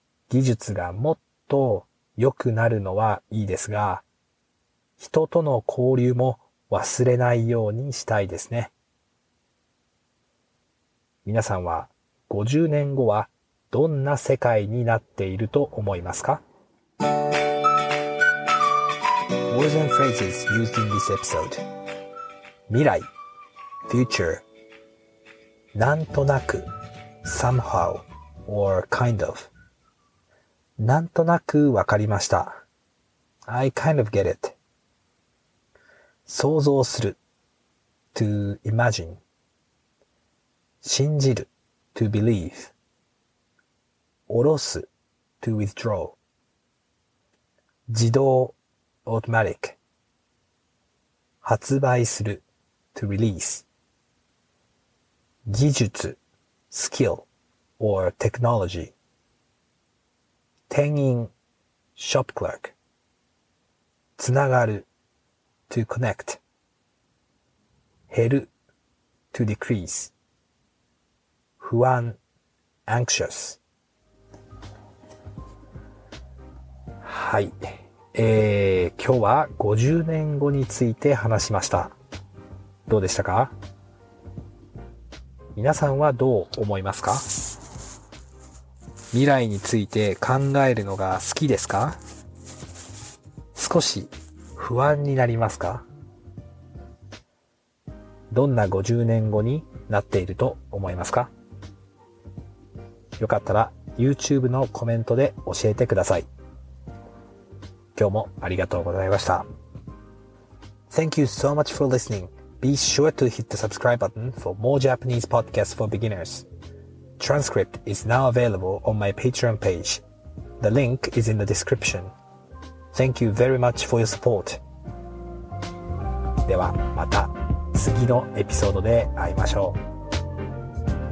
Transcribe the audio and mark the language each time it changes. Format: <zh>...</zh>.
<ja>技術がもっと良くなるのはいいですが、人との交流も忘れないようにしたいですね。皆さんは50年後はどんな世界になっていると思いますか？</ja> <en>Words and phrases used in this episode. 未来 future. なんとなく somehow or kind of.</en> <ja>なんとなくわかりました。</ja> <en>I kind of get it. 想像する to imagine. 信じる to believe. 下ろす to withdraw. 自動 automatic. 発売する to release. 技術 skill or technology. 店員 shop clerk. つながる to connect. 減る to decrease. 不安 anxious.</en> <ja>はい、今日は50年後について話しました。どうでしたか？皆さんはどう思いますか？未来について考えるのが好きですか？少し不安になりますか？どんな50年後になっていると思いますか？よかったら YouTube のコメントで教えてください。今日もありがとうございました。</ja> <en>Thank you so much for listening. Be sure to hit the subscribe button for more Japanese podcasts for beginners. Transcript is now available on my Patreon page. The link is in the description. Thank you very much for your support.</en> <ja>ではまた次のエピソードで会いましょう。</ja>